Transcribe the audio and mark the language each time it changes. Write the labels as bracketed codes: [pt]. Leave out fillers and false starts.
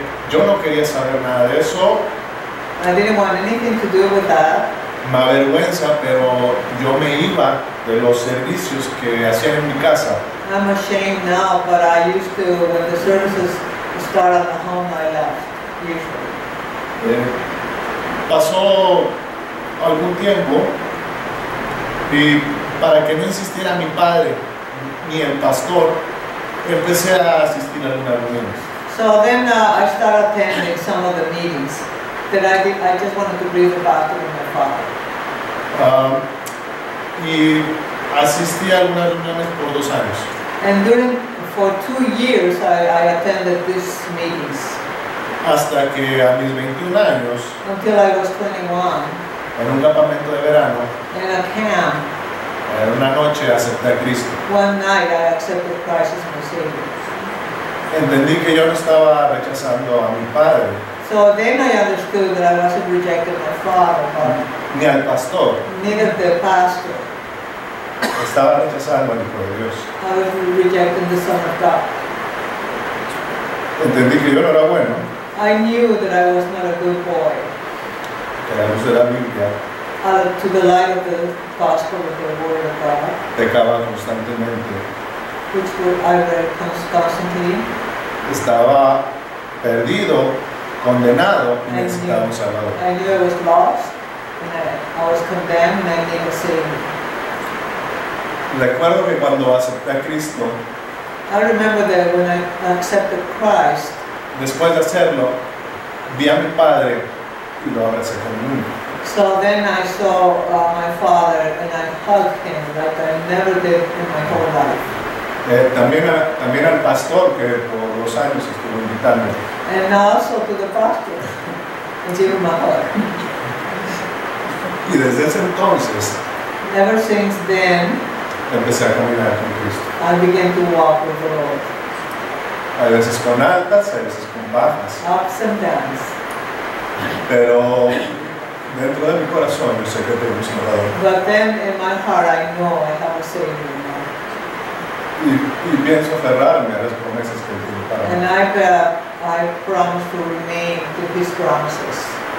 [es] Yo no quería saber nada de eso. [en] I didn't want anything to do with that. [es] Me avergüenza, pero yo me iba de los servicios que hacían en mi casa. [en] I'm ashamed now, but I used to, when the services started at home, I left. usually. Yeah. [es] Pasó algún tiempo y para que no insistiera mi padre ni el pastor, empecé a asistir a algunas reuniones. [en] So then I started attending some of the meetings that I just wanted to read about to my father. [es] Y asistí a algunas reuniones por 2 años. [en] And during for 2 years I attended these meetings. [es] Hasta que a mis 21 años. [en] Until I was 21. [es] En un campamento de verano. [en] In a camp. [es] En una noche acepté a Cristo. [en] One night I accepted Christ as my Savior. [es] Entendí que yo no estaba rechazando a mi padre. [en] So then I understood that I wasn't rejecting my father. [es] Ni al pastor. [en] Neither the pastor. [es] Estaba rechazando al Hijo de Dios. [en] I was rejecting the Son of God. [es] Entendí que yo no era bueno. [en] I knew that I was not a good boy. [es] A la luz de la Biblia. [en] To the light of the gospel of the Word of God. [es] Pecaba constantemente. [en] Which I read constantly. [es] Estaba perdido, condenado, y necesitaba un Salvador. [en] I knew I was lost, and I was condemned, and I needed a Savior. [es] Recuerdo que cuando acepté a Cristo, [en] I remember that when I accepted Christ, [es] después de hacerlo, vi a mi padre y lo abracé con un niño. [en] So then I saw my father and I hugged him like I never did in my whole life. [es] También al pastor que por 2 años estuvo invitando. [en] And also to the pastor, and even my father. [es] Y desde ese entonces, [en] ever since then, [es] empecé a caminar con Cristo. [en] I began to walk with the Lord. [es] A veces con altas, a veces con bajas. [en] Ups and downs. [es] Pero dentro de mi corazón yo sé que tengo un Salvador. [en] But then in my heart I know I have a Savior now. [es] Y pienso aferrarme a las promesas que tiene para mí. [en] And I promise to remain to His promises.